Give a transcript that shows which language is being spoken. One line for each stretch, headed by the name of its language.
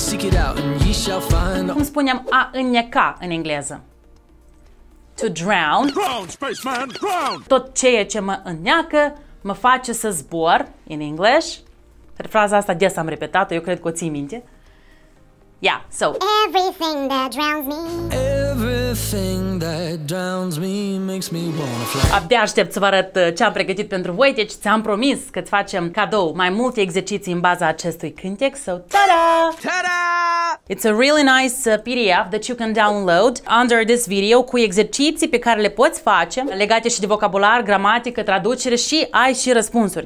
English: Seek it out and you shall find.
Romanian: Cum spunem a înneca în engleză?
English: To drown. Drown, spaceman, drown!
Romanian: Tot ceea ce mă înneacă mă face să zbor.
English: In English?
Romanian: Fraza asta des am repetat-o, eu cred că o ții minte.
English: Yeah, so. Everything that drowns me. Everything that drowns me makes me wanna fly.
Romanian: Abia aștept să vă arăt ce am pregătit pentru voi, deci ți-am promis că îți facem cadou mai multe exerciții în baza acestui cântec.
English: So, ta-da! Ta-da! It's a really nice PDF that you can download under this video
Romanian: cu exerciții pe care le poți face, legate și de vocabular, gramatică, traducere și ai și răspunsuri.